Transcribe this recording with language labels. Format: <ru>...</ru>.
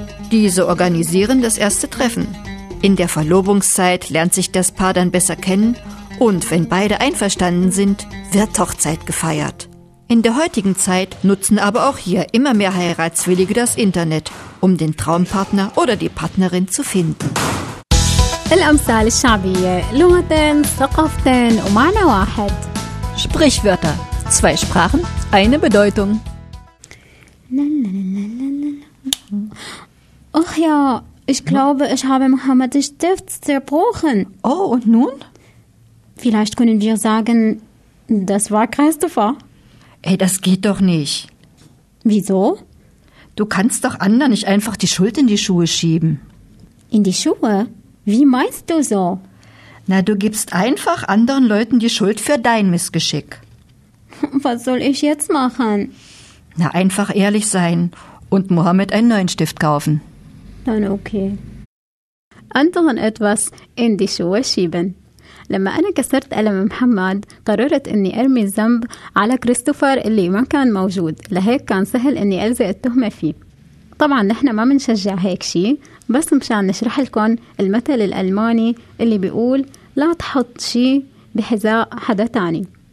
<de>Diese organisieren das erste Treffen. In der Verlobungszeit lernt sich das Paar dann besser kennen und wenn beide einverstanden sind, wird Hochzeit gefeiert. In der heutigen Zeit nutzen aber auch hier immer mehr Heiratswillige das Internet, um den Traumpartner oder die Partnerin zu finden.</de> <ar>الأمثال الشعبية لغة ثقافة ومعنى واحد.</ar> <de>Sprichwörter. Zwei Sprachen, eine Bedeutung. Ach ja, ich glaube, ich habe Mohammeds Stift zerbrochen. Oh, und nun? Vielleicht können wir sagen, das war Christopher. Ey, das geht doch nicht. Wieso? Du kannst doch anderen nicht einfach die Schuld in die Schuhe schieben. In die Schuhe? Wie meinst du so? Na, du gibst einfach anderen Leuten die Schuld für dein Missgeschick. Was soll ich jetzt machen? Na, einfach ehrlich sein und Mohammed einen neuen Stift kaufen. Dann okay. Anderen etwas in die Schuhe schieben.</de> <ar>لما أنا كسرت ألم محمد قررت أني أرمي الذنب على كريستوفر اللي ما كان موجود لهيك كان سهل أني ألزق التهمة فيه طبعا نحن ما منشجع هيك شيء بس مشان نشرح لكم المثل الألماني اللي بيقول لا تحط شيء بحذاء حدا تاني</ar>